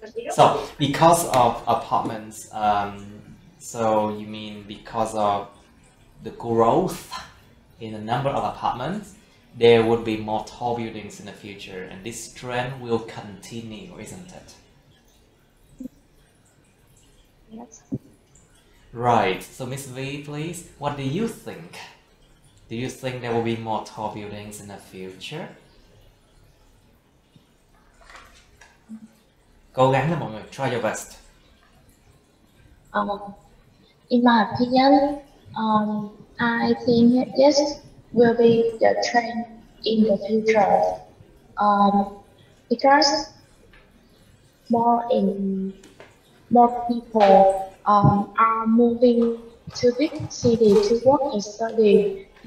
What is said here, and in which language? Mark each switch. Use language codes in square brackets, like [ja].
[en] So because of apartments, so you mean because of the growth in the number of apartments, there would be more tall buildings in the future, and this trend will continue, isn't it? Yes. Right. So Miss V, please, what do you think? Do you think there will be more tall buildings in the future? [vi] Cố gắng nha mọi người, [en] try your best. In my opinion, I think this will be the trend in the future. Because more people are moving to big city to work and study.